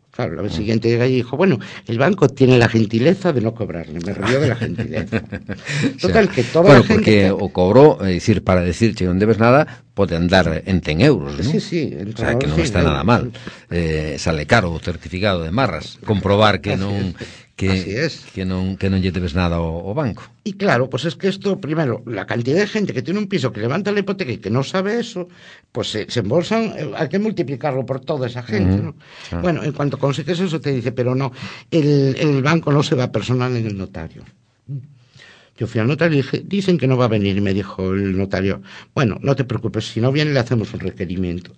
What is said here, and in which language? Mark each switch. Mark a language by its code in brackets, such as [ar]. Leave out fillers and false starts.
[es] Claro, la siguiente llega allí y dijo, bueno, el banco tiene la gentileza de no cobrarle. Me rió de la gentileza. Total, o sea, que toda bueno, la gente... Bueno, porque o cobró, es decir, para decir que no debes nada, puede andar en 10 euros, ¿no? Sí, sí. O sea, que no está sí, nada mal. Sale caro o certificado de marras. Comprobar que no... [gl] que non lle debes nada ao banco. [es] Y claro, pues es que esto, primero, la cantidad de gente que tiene un piso que levanta la hipoteca y que no sabe eso, pues se embolsan, hay que multiplicarlo por toda esa gente, ¿no? Ah. Bueno, en cuanto consigues eso te dice, pero no, el banco no se va personal en el notario. Yo fui al notario y dije, dicen que no va a venir, y me dijo el notario, bueno, no te preocupes, si no viene le hacemos un requerimiento.